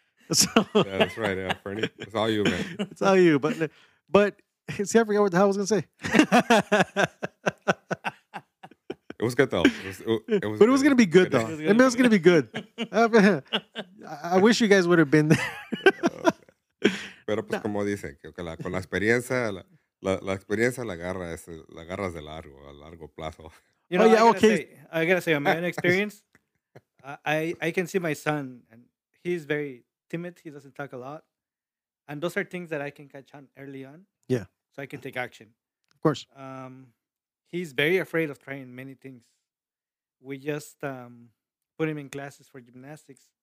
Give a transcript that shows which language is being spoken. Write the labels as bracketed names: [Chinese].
[English] So, yeah, that's right, Fernie. Yeah. It's all you, man. It's all you. But see, I forgot what the hell I was gonna say. It was good though. It was but it was gonna be good though. It was gonna be good. I wish you guys would have been there. [Spanish] Pero pues como dicen, que con la experiencia, la experiencia la agarras de largo, a largo plazo. [English] You know, I gotta say, on my own experience, I can see my son, and he's very timid, he doesn't talk a lot. And those are things that I can catch on early on. Yeah. So I can take action. Of course. He's very afraid of trying many things. We just put him in classes for gymnastics.